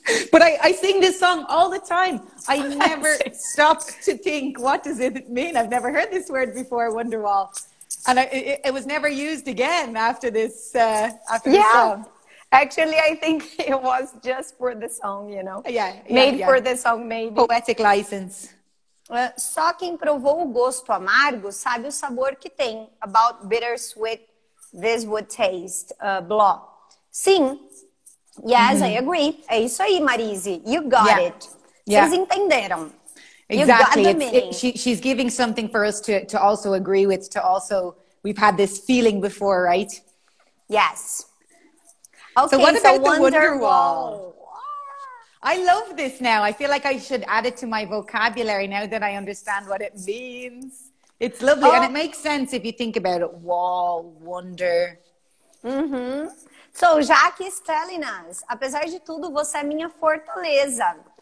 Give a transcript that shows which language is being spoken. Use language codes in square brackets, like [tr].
[en] But I sing this song all the time. I never stop to think, what does it mean? I've never heard this word before, Wonderwall. And it was never used again after this Yeah. song. Actually, I think it was just for the song, you know. Yeah. For the song, maybe. Poetic license. [pt] Só quem provou o gosto amargo sabe o sabor que tem. [en] About bittersweet, this would taste, blah. Sim. Yes, mm-hmm. I agree. [pt] É isso aí, Marise. [en] You got yeah. it. Yeah. [pt] Vocês entenderam. [en] Exactly. You got the meaning. She's giving something for us to also agree with, to also, we've had this feeling before, right? Yes. Okay, so what about the Wonderwall? I love this now. I feel like I should add it to my vocabulary now that I understand what it means. It's lovely. Oh. And it makes sense if you think about it. Wall, wonder. Mm-hmm. So, Jaque's telling us, [pt] apesar de tudo, você é minha fortaleza.